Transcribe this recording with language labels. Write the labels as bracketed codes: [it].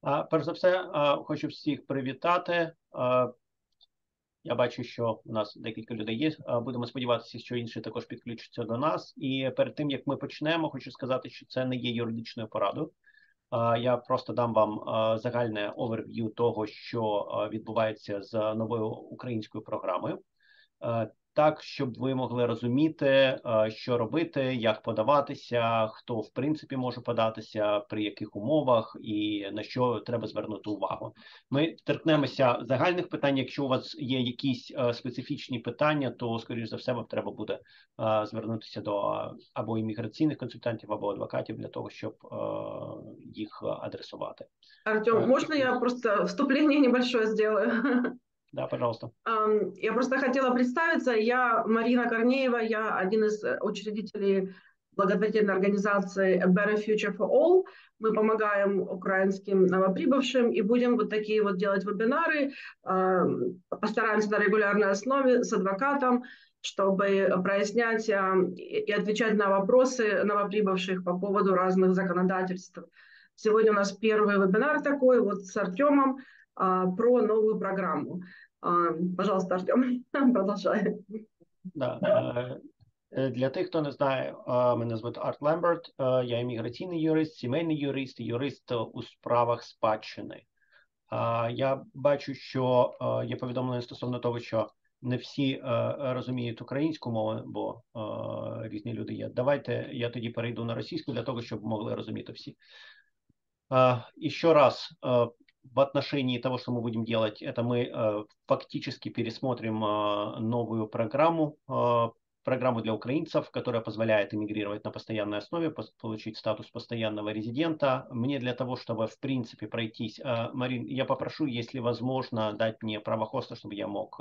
[uk] Перш за все, хочу всіх привітати. Я бачу, що у нас декілька людей є. Будемо сподіватися, що інші також підключаться до нас. І перед тим, як ми почнемо, хочу сказати, що це не є юридичною порадою. Я просто дам вам загальне overview того, що відбувається з новою українською програмою. Так, щоб ви могли розуміти, що робити, як подаватися, хто в принципі може податися, при яких умовах і на що треба звернути увагу. Ми торкнемося загальних питань. Якщо у вас є якісь специфічні питання, то, скоріш за все, вам треба буде звернутися до або імміграційних консультантів, або адвокатів для того, щоб їх адресувати. [ru] Артем, можна я просто вступление небольшое сделаю? Да, пожалуйста. Я просто хотела представиться. Я Марина Корнеева, я один из учредителей благотворительной организации A Better Future for All. Мы помогаем украинским новоприбывшим и будем вот такие вот делать вебинары. Постараемся на регулярной основе с адвокатом, чтобы прояснять и отвечать на вопросы новоприбывших по поводу разных законодательств. Сегодня у нас первый вебинар такой вот с Артемом про новую программу. Пожалуйста, Артем, продолжай. Да. [uk] Для тих, хто не знає, мене звати Арт Лемберт, я імміграційний юрист, сімейний юрист, юрист у справах спадщини. Я бачу, що є повідомлення стосовно того, що не всі розуміють українську мову, бо різні люди є. Давайте я тоді перейду на російську для того, щоб могли розуміти всі. І ще раз, [ru] в отношении того, что мы будем делать, это мы фактически пересмотрим новую программу, программу для украинцев, которая позволяет эмигрировать на постоянной основе, получить статус постоянного резидента. Мне для того, чтобы в принципе пройтись, Марин, я попрошу, если возможно, дать мне право хоста, чтобы я мог